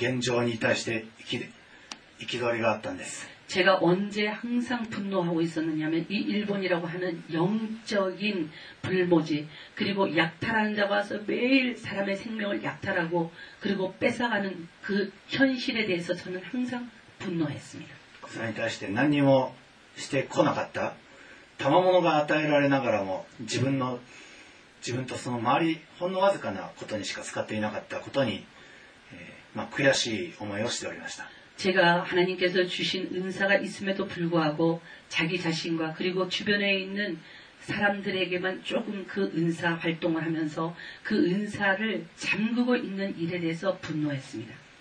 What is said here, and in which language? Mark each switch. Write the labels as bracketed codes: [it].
[ja] この日本という国の霊的状況、霊的な略奪隊たちが好き放題、分取り放題取ってる現状に対して憤りがあったんです。 [ko] 제가 언제 항상 분노하고 있었느냐면 이 일본이라고 하는 영적인 불모지 그리고 약탈하는 자가 와서 매일 사람의 생명을 약탈하고 그리고 뺏어가는 그 현실에 대해서 저는 항상 분노했습니다. 그사람에 대해서 [ja] 何にも してこなかった 賜物が 与えられながらも 自分とその周り ほんのわずかなことにしか使っていなかったことに 悔しい思いをしておりました。 [ko] 제가 하나님께서 주신 은사가 있음에도 불구하고 자기 자신과 그리고 주변에 있는 사람들에게만 조금 그 은사 활동을 하면서 그 은사를 잠그고 있는 일에 대해서 분노했습니다.